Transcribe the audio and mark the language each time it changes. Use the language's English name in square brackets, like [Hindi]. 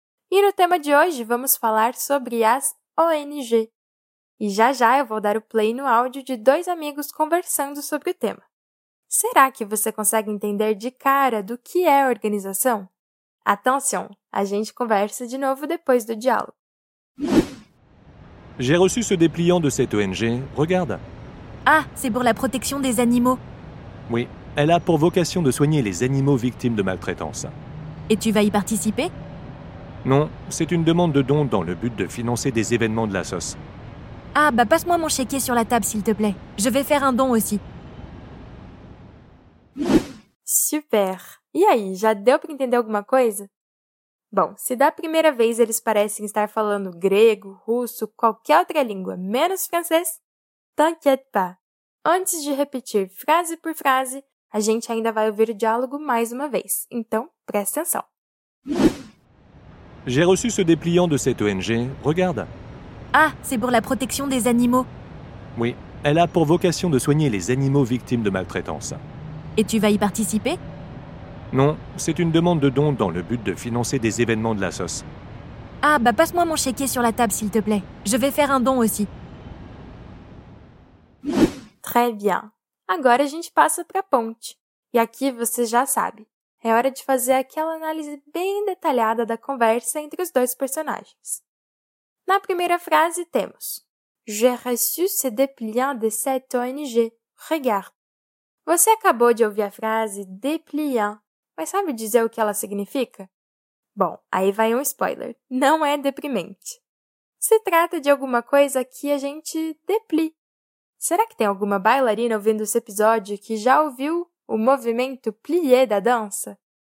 [Portuguese] E no tema de hoje, vamos falar sobre as ONG. E já eu vou dar o play no áudio de dois amigos conversando sobre o tema. Será que você consegue entender de cara do que é a organização? [French] Attention, [Portuguese] a gente conversa de novo depois do diálogo. [French] J'ai reçu ce dépliant de cette ONG. Regarde. Ah, c'est pour la protection des animaux. Oui, elle a pour vocation de soigner les animaux victimes de maltraitance. Et tu vas y participer? Non, c'est une demande de don dans le but de financer des événements de la SOS. Ah, bah passe-moi mon chéquier sur la table, s'il te plaît. Je vais faire un don aussi. Super! [Portuguese] E aí, já deu para entender alguma coisa? Bom, se da primeira vez eles parecem estar falando grego, russo, qualquer outra língua, menos francês, [French] t'inquiète pas! [Portuguese] Antes de repetir frase por frase, a gente ainda vai ouvir o diálogo mais uma vez. Então, presta atenção! [French] J'ai reçu ce dépliant de cette ONG. Regarde! Ah, c'est pour la protection des animaux. Oui, elle a pour vocation de soigner les animaux victimes de maltraitance. Et tu vas y participer? Non, c'est une demande de don dans le but de financer des événements de la SOS. Ah, bah passe-moi mon chéquier sur la table, s'il te plaît. Je vais faire un don aussi. Très bien. [Portuguese] Agora a gente passa para a ponte. E aqui você já sabe. É hora de fazer aquela análise bem detalhada da conversa entre os dois personagens. Na primeira frase temos [French] J'ai reçu ce dépliant de cette ONG. Regarde. [Portuguese] Você acabou de ouvir a frase dépliant, mas sabe dizer o que ela significa? Bom, aí vai um spoiler. Não é deprimente. Se trata de alguma coisa que a gente deplie. Será que tem alguma bailarina ouvindo esse episódio que já ouviu o movimento plié da dança?